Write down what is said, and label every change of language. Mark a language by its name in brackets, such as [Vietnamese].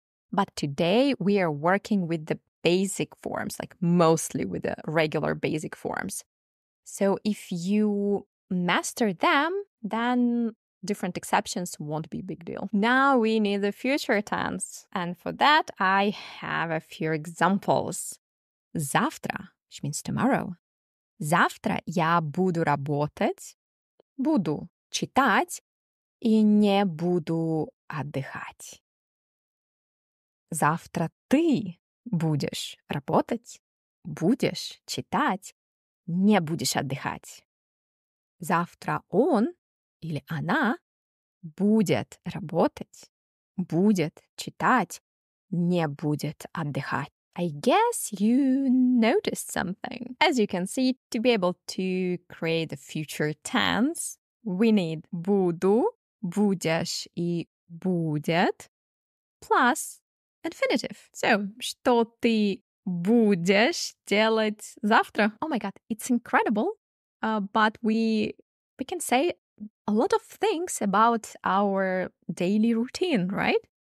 [English] But today we are working with the basic forms, like mostly with the regular basic forms. So if you master them, then different exceptions won't be a big deal. Now we need the future tense. And for that, I have a few examples. Завтра, which means tomorrow. [Russian] Завтра я буду работать, буду читать и не буду отдыхать. Завтра ты будешь работать, будешь читать, не будешь отдыхать. Завтра он или она будет работать, будет читать, не будет отдыхать. [English] I guess you noticed something. As you can see, to be able to create the future tense, we need [Russian] буду, будешь и будет [English] plus infinitive. [Russian] So, что ты будешь делать завтра? [English] Oh my god, it's incredible. But we can say a lot of things about our daily routine, right?